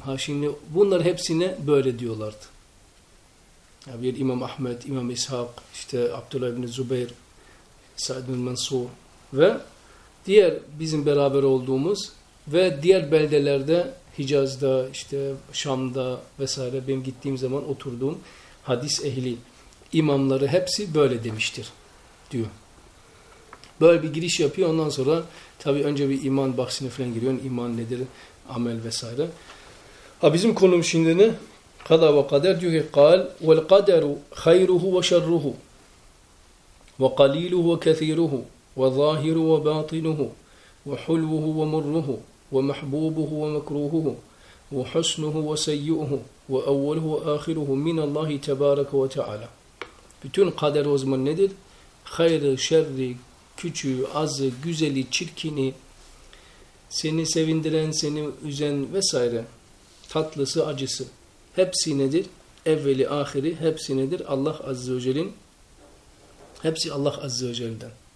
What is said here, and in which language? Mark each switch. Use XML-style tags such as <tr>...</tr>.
<tr>Ha şimdi bunlar hepsine böyle diyorlardı. Ya bir İmam Ahmet, İmam İshak, işte Abdullah ibn Zübeyr, Said ibn Mansur ve diğer bizim beraber olduğumuz ve diğer beldelerde, Hicaz'da, işte Şam'da vesaire benim gittiğim zaman oturduğum hadis ehli imamları hepsi böyle demiştir diyor. Böyle bir giriş yapıyor, ondan sonra tabii önce bir iman bahsine falan giriyor. İman nedir? Amel vesaire. Ha bizim konum şimdi ne? Kada ve kader diyor ki</tr> <ar>قال وَالْقَدَرُ خَيْرُهُ وَشَرُّهُ وَقَلِيلُهُ وَكَثِيرُهُ وَظَاهِرُ وَبَاطِنُهُ وَحُلْوُهُ وَمُرُّهُ ومحبوبه ومكروهه وحسنه وسيئه وأوله وآخره من الله تبارك وتعالى.</ar> <tr>Bütün kader o zaman nedir? Hayrı, şerri, küçüğü, azı, güzeli, çirkini, seni sevindiren, seni üzen vesaire, tatlısı, acısı, hepsi nedir? Evveli, ahiri, hepsi nedir? Allah Azze ve Celle'nin, hepsi Allah Azze ve Celle'den.</tr>